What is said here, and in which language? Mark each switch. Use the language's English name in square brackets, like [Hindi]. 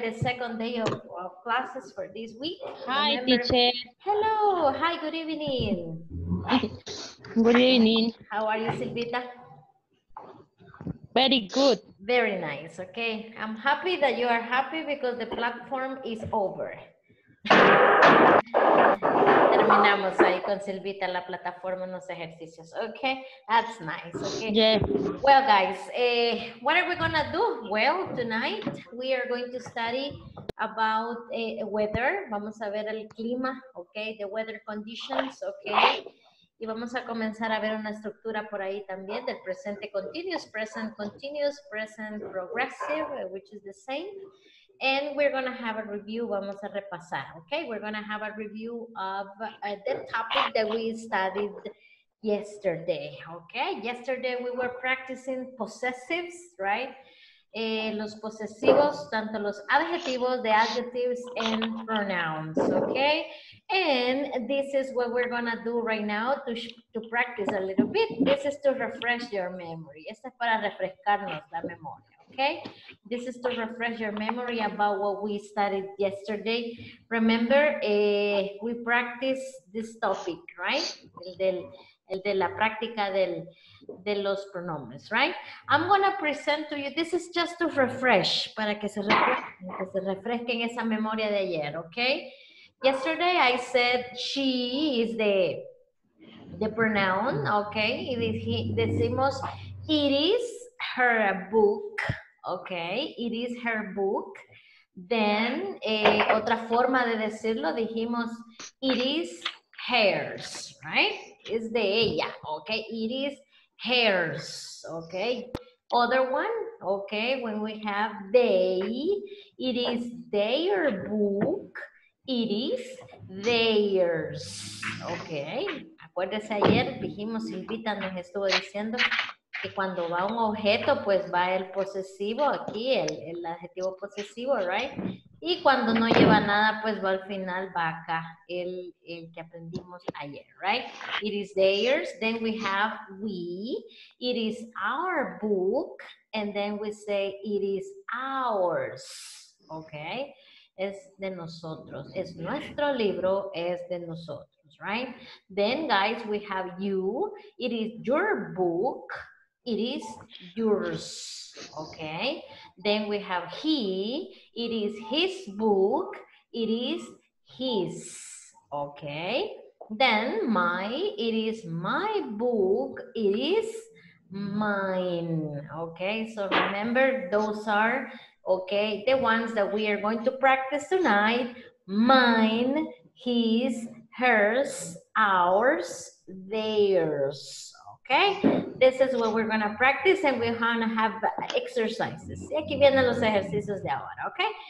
[English] The second day of classes for this week. Hi, teacher. Hello. Hi, good evening. Good evening. How are you, Silvita? Very good. Very nice. Okay. I'm happy that you are happy because the platform is over. [Spanish] Terminamos ahí con Silvita la plataforma en los ejercicios. [English] Okay, that's nice. Okay. Yeah. Well, guys, what are we gonna do? Well, tonight we are going to study about weather. [Spanish] Vamos a ver el clima, okay, [English] the weather conditions, [Spanish] okay. Y vamos a comenzar a ver una estructura por ahí también del presente continuous, present progressive, [English] which is the same. And we're going to have a review, [Spanish] vamos a repasar, [English] okay? We're going to have a review of the topic that we studied yesterday, okay? Yesterday we were practicing possessives, right? [Spanish] los posesivos, tanto los adjetivos, [English] the adjectives, and pronouns, [Spanish] okay? [English] And this is what we're gonna do right now to practice a little bit. This is to refresh your memory. [Spanish] Esta es para refrescarnos la memoria. [English] Okay, this is to refresh your memory about what we studied yesterday. Remember, we practice this topic, right? [Spanish] El de la práctica de los pronombres, right? [English] I'm gonna present to you, this is just to refresh, [Spanish] para que se refresquen esa memoria de ayer, [English] okay? Yesterday I said she is the pronoun, okay? [Spanish] Y decimos, [English] it is her book. Okay, it is her book. Then, [Spanish] otra forma de decirlo, dijimos, [English] it is hers, right? [Spanish] Es de ella, okay? [English] It is hers, [Spanish] okay? [English] Other one, okay, when we have they, it is their book, it is theirs, okay? [Spanish] Acuérdese, ayer dijimos, Silvita nos estuvo diciendo, cuando va un objeto, pues va el posesivo aquí, el adjetivo posesivo, right? Y cuando no lleva nada, pues va al final, va acá, el que aprendimos ayer, right? [English] It is theirs, then we have we, it is our book, and then we say it is ours, okay? [Spanish] Es de nosotros, es nuestro libro, es de nosotros, right? [English] Then, guys, we have you, it is your book, it is yours, okay? Then we have he, it is his book, it is his, okay? Then my, it is my book, it is mine, okay? So remember, those are, okay, the ones that we are going to practice tonight, mine, his, hers, ours, theirs. Okay, this is what we're gonna practice and we're gonna have exercises. [Spanish] Y aquí vienen los ejercicios de ahora, okay?